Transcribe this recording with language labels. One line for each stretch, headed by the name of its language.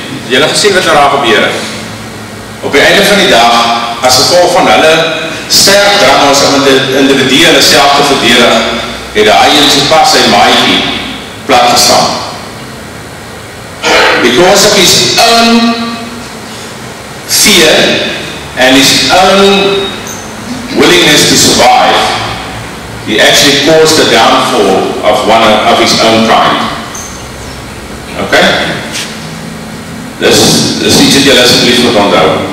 Afrikaans: Jy het gesien wat daar gebeur het. Op die einde van die dag, as gevolg van hulle sterk drang is om die individue hulle self te verdedig, het die haai so pas sy maaitjie plat gestaan.
English: Because of his own fear and his own willingness to survive, he actually caused the downfall of one of his own kind. Okay?
Afrikaans: Dis iets wat jy asseblief moet onthou.